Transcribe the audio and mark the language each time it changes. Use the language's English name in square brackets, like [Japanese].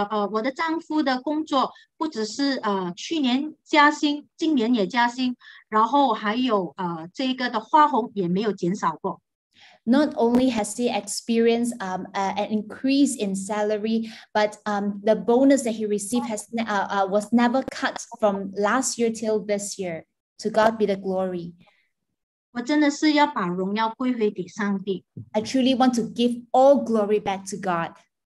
[Chinese] 我的丈夫的工作不只是去年加薪，今年也加薪，然后还有这个的花红也没有减少过。Not [English] only has he experienced an increase in salary, but the bonus that he received has was never cut from last year till this year. To God be the glory. [Chinese] 我真的是要把荣耀归回给上帝。I [English] truly want to give all glory back to God.